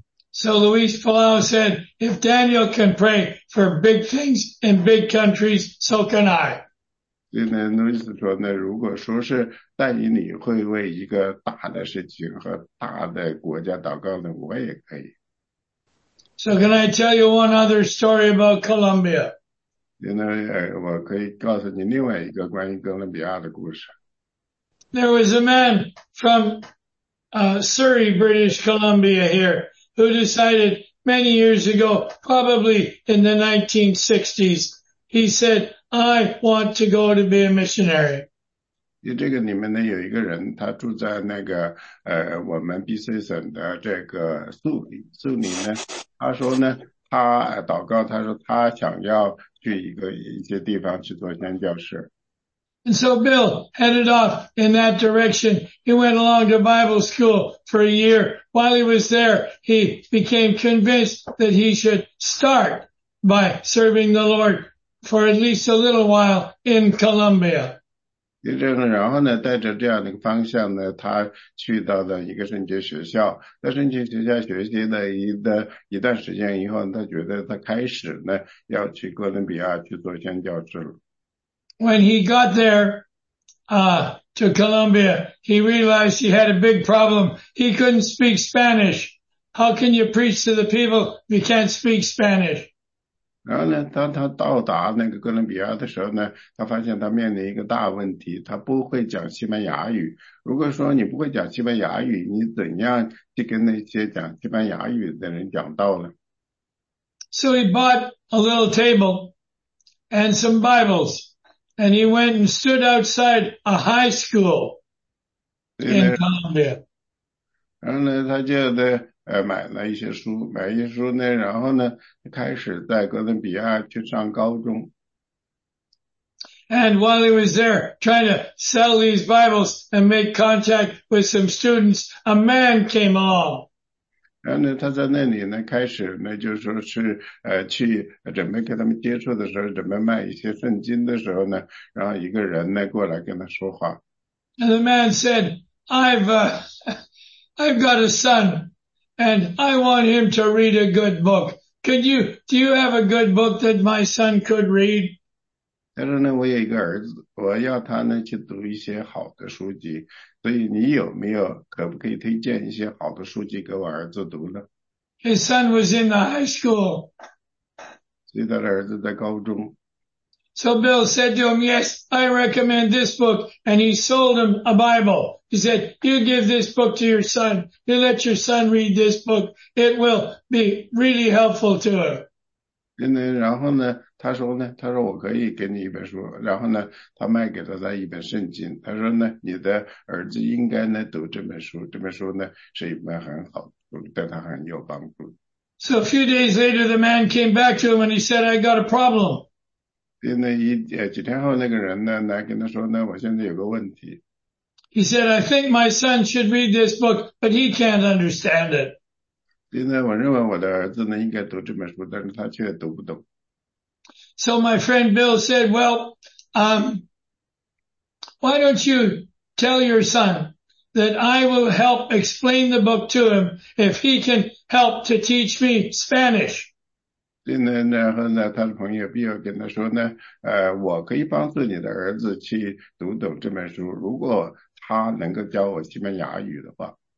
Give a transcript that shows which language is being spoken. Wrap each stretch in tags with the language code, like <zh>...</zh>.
<en>So Luis Palau said, if Daniel can pray for big things in big countries, so can I.</en> <zh>今天 Luis 说呢，如果说是但以你会为一个大的事情和大的国家祷告呢，我也可以。</zh> <en>So can I tell you one other story about Colombia?</en> <zh>今天我可以告诉你另外一个关于哥伦比亚的故事。</zh> <en>There was a man from, Surrey, British Columbia here. Who decided many years ago, probably in the 1960s, he said, I want to go to be a missionary.</en> <zh>这个里面呢有一个人，他住在那个我们 BC 省的这个苏里。苏里呢，他说呢，他祷告，他说他想要去一些地方去做宣教士。</zh> <en>And so Bill headed off in that direction. He went along to Bible school for a year. While he was there, he became convinced that he should start by serving the Lord for at least a little while in Colombia.</en> <zh>然后呢，带着这样的方向呢，他去到了一个圣职学校。在圣职学校学习了一段时间以后，他觉得他开始呢要去哥伦比亚去做宣教士了。</zh> <en>When he got there, to Colombia, he realized he had a big problem. He couldn't speak Spanish. How can you preach to the people if you can't speak Spanish?</en> <zh>然后呢，当他到达那个哥伦比亚的时候呢，他发现他面临一个大问题，他不会讲西班牙语。如果说你不会讲西班牙语，你怎样去跟那些讲西班牙语的人讲道呢？</zh> <en>So he bought a little table and some Bibles. And he went and stood outside a high school in Colombia.</en> <zh>然后呢，他就得买了一些书，买一些书呢，然后呢，开始在哥伦比亚去上高中。</zh> <en>And while he was there trying to sell these Bibles and make contact with some students, a man came along.</en> <zh>然后呢，他在那里呢，开始呢，就是说是去准备跟他们接触的时候，准备卖一些圣经的时候呢，然后一个人呢过来跟他说话。</zh> <en>And the man said, I've got a son, and I want him to read a good book. Do you have a good book that my son could read?</en> <zh>他说呢，我有一个儿子，我要他呢去读一些好的书籍。所以你有没有可不可以推荐一些好的书籍给我儿子读呢？</zh> <en>His son was in the high school.</en> <zh>所以他的儿子在高中。</zh> <en>So Bill said to him, yes, I recommend this book. And he sold him a Bible. He said, you give this book to your son. You let your son read this book. It will be really helpful to him.</en> <zh>然后呢他说呢他说我可以给你一本书然后呢他卖给了他一本圣经他说呢你的儿子应该呢读这本书这本书呢是一本很好对他很有帮助。</zh> <en>So a few days later, the man came back to him and he said, I got a problem.</en> <zh>几天后那个人呢来跟他说呢我现在有个问题。</zh> <en>He said, I think my son should read this book, but he can't understand it.</en> <zh>现在我认为我的儿子呢应该读这本书但是他却读不懂。</zh> <en>So my friend Bill said, well, why don't you tell your son that I will help explain the book to him if he can help to teach me Spanish.</en> <zh>然后呢他的朋友 Bill 跟他说呢我可以帮助你的儿子去读懂这本书如果他能够教我西班牙语的话。</zh>